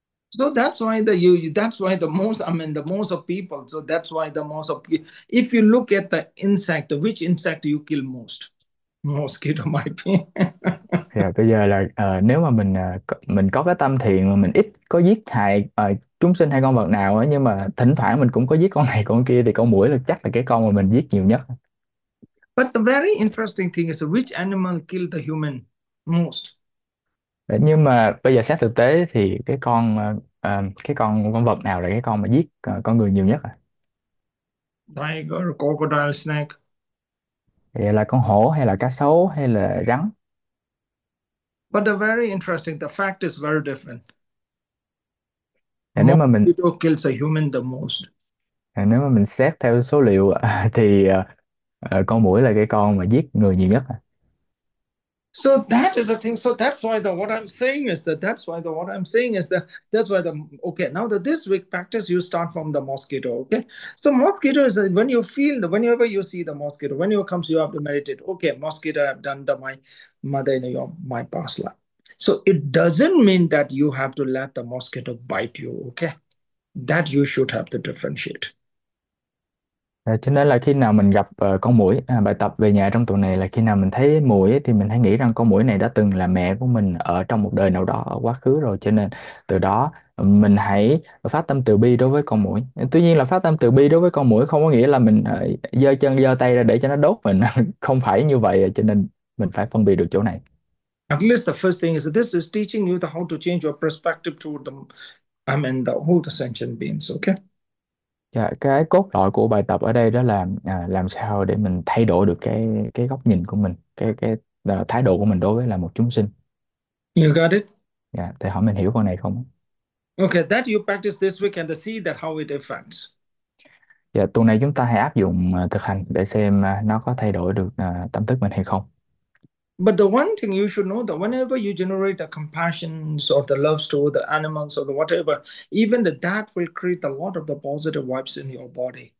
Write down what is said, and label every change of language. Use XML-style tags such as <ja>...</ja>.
<en>So that's why the most of people, so that's why the most of if you look at the insect, which insect you kill most? Mosquito might be.</en> <vi>Thì bây giờ là nếu mà mình có cái tâm thiện mà mình ít có giết hại chúng sinh hay con vật nào ấy, nhưng mà thỉnh thoảng mình cũng có giết con này con kia, thì con muỗi là chắc là cái con mà mình giết nhiều nhất.</vi> <en>The very interesting thing is which animal kill the human most?</en> <vi>Đấy, nhưng mà bây giờ xét thực tế thì cái con vật nào là cái con mà giết con người nhiều nhất ạ?</vi> <en>Tiger, crocodile, snake.</en> <vi>Vậy là con hổ hay là cá sấu hay là rắn?</vi> <en>But the very interesting, the fact is very different.</en> <vi>Nếu</vi> <en>Mosquito</en> <vi>mà mình</vi> <en>kills a human the most.</en> <vi>xét theo số liệu thì con muỗi là cái con mà giết người nhiều nhất.</vi> <en>So that is the thing. So that's why the what I'm saying is that that's why the what I'm saying is that that's why the okay. Now that this week practice, you start from the mosquito. Okay. So mosquito is when you feel the whenever you see the mosquito, when you comes, you have to meditate. Okay, mosquito, I've done the my mother in your my past life. So it doesn't mean that you have to let the mosquito bite you. Okay, that you should have to differentiate.</en> <vi>Cho nên là khi nào mình gặp con muỗi, bài tập về nhà trong tuần này là khi nào mình thấy muỗi thì mình hãy nghĩ rằng con muỗi này đã từng là mẹ của mình ở trong một đời nào đó ở quá khứ rồi, cho nên từ đó mình hãy phát tâm từ bi đối với con muỗi. Tuy nhiên là phát tâm từ bi đối với con muỗi không có nghĩa là mình giơ chân giơ tay ra để cho nó đốt mình, không phải như vậy, cho nên mình phải phân biệt được chỗ này.</vi> <en>At least the first thing is that this is teaching you the how to change your perspective toward the whole the sentient beings, okay?</en> <vi>Dạ, cái cốt lõi của bài tập ở đây đó là làm sao để mình thay đổi được cái góc nhìn của mình, cái thái độ của mình đối với là một chúng sinh.</vi> <en>You got it?</en> <vi>Dạ, thì hỏi mình hiểu con này không?</vi> <en>Okay, that you practice this week and see that how it affects.</en> <vi>Dạ, tuần này chúng ta hãy áp dụng thực hành để xem nó có thay đổi được tâm thức mình hay không.</vi> <en>But the one thing you should know that whenever you generate the compassion or the love to the animals or the whatever, even that will create a lot of the positive vibes in your body.</en>